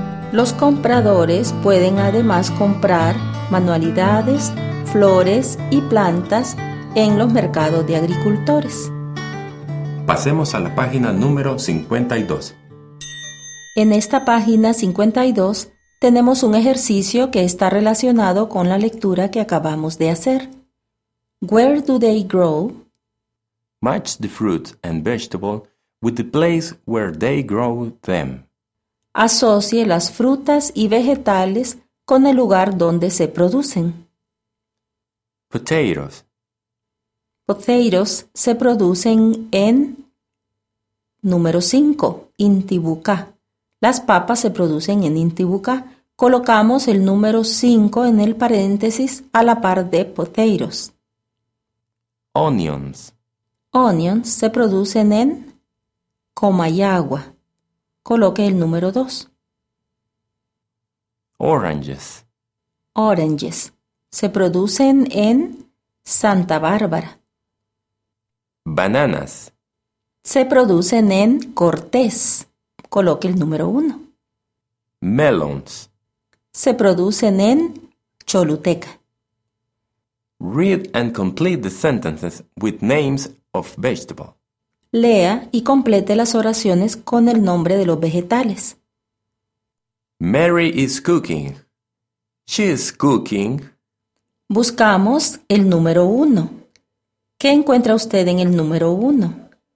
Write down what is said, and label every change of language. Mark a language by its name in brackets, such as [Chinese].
[Spanish] Los compradores pueden además comprar manualidades, flores y plantas en los mercados de agricultores. Pasemos a la página número 52. En esta página 52 tenemos un ejercicio que está relacionado con la lectura que acabamos de hacer. [English] Where do they grow? Match the fruit and vegetable with the place where they grow them. [Spanish] Asocie las frutas y vegetales con el lugar donde se producen. [English] Potatoes. [Spanish] Potatoes se producen en... Número 5. Intibucá. Las papas se producen en Intibucá. Colocamos el número 5 en el paréntesis a la par de potatoes. [English] Onions. [Spanish] Onions se producen en Comayagua. Coloque el número 2. [English] Oranges. [Spanish] Oranges se producen en Santa Bárbara. [English] Bananas. [Spanish] Se producen en Cortés. Coloque el número 1. [English] Melons. [Spanish] Se producen en Choluteca. [English] Read and complete the sentences with names of vegetables. [Spanish] Lea y complete las oraciones con el nombre de los vegetales. [English] Mary is cooking. She is cooking. [Spanish] Buscamos el número 1. ¿Qué encuentra usted en el número 1?